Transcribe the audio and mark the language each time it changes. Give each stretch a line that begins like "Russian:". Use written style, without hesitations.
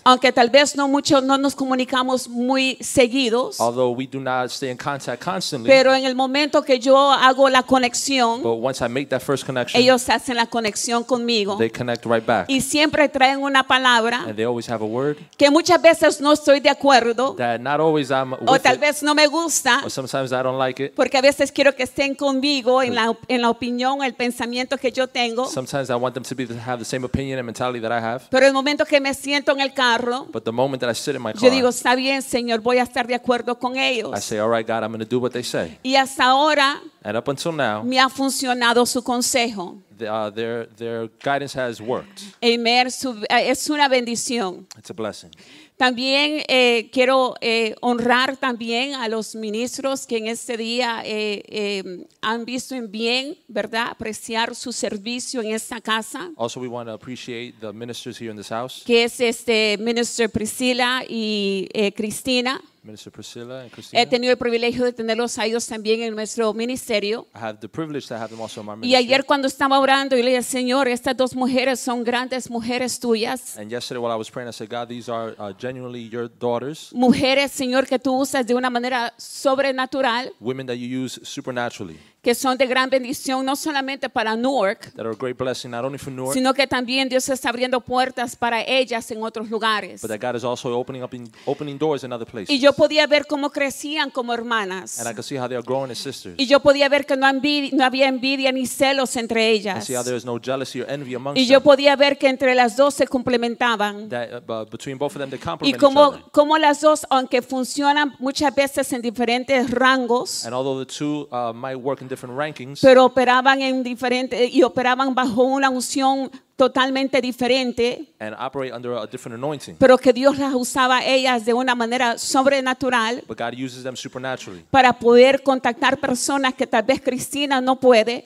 Spanish: Aunque tal vez no mucho, no nos comunicamos muy seguidos.
English: Although we do not stay in contact constantly.
Spanish: Pero en el momento que yo hago la conexión,
English: but once I make that first connection,
Spanish: ellos hacen la conexión conmigo.
English: They connect right back.
Spanish: Y siempre traen una palabra.
English: And they always have a word.
Spanish: Que muchas veces no estoy de acuerdo.
English: Not always I'm with
Spanish: o tal
English: it.
Spanish: Vez no me gusta.
English: Or sometimes I don't like it.
Spanish: Porque a veces quiero que estén conmigo en la opinión, el pensamiento que yo tengo.
English: Sometimes I want them to be to have the same opinion and mentality that I have.
Spanish: Pero el momento que me siento en el carro,
English: but the moment that I sit in my car,
Spanish: yo digo, está bien, Señor, voy a estar de acuerdo con ellos.
English: I say, all right, God, I'm going to do what they say.
Spanish: Y hasta ahora,
English: and up until now,
Spanish: me ha funcionado su consejo.
English: Their guidance has worked.
Spanish: Amen. Es una bendición.
English: It's a blessing.
Spanish: También quiero honrar también a los ministros que en este día han visto en bien, ¿verdad?, apreciar su servicio en esta casa.
English: Also, we want to appreciate the ministers here in this house.
Spanish: Que es Minister Priscilla y Cristina.
English: Minister Priscilla and Christina.
Spanish: He tenido el privilegio de tenerlos a ellos también en nuestro ministerio.
English: I have the privilege to have them also in my ministry.
Spanish: Y ayer cuando estaba orando, yo le dije, Señor, estas dos mujeres son grandes mujeres tuyas.
English: And yesterday while I was praying, I said, God, these are genuinely your daughters.
Spanish: Mujeres, Señor, que tú usas de una manera sobrenatural.
English: Women that you use supernaturally.
Spanish: Que son de gran bendición no solamente para Newark,
English: that are a great blessing, not only for Newark,
Spanish: sino que también Dios está abriendo puertas para ellas en otros lugares.
English: But that God is also opening doors in other places.
Spanish: Y yo podía ver cómo crecían como hermanas.
English: And I could see how they are growing as sisters.
Spanish: Y yo podía ver que no había envidia ni celos entre ellas.
English: And see how there is no jealousy or envy amongst
Spanish: y yo
English: them.
Spanish: Podía ver que entre las dos se complementaban.
English: That, between both of them, they complement
Spanish: y como,
English: each other.
Spanish: Y como las dos, aunque funcionan muchas veces en diferentes rangos,
English: and although the two might work in different rankings,
Spanish: pero operaban en diferente y operaban bajo una unción totalmente diferente,
English: and operate under a different anointing,
Spanish: pero que Dios las usaba ellas de una manera sobrenatural,
English: but God uses them supernaturally,
Spanish: para poder contactar personas que tal vez Cristina no puede,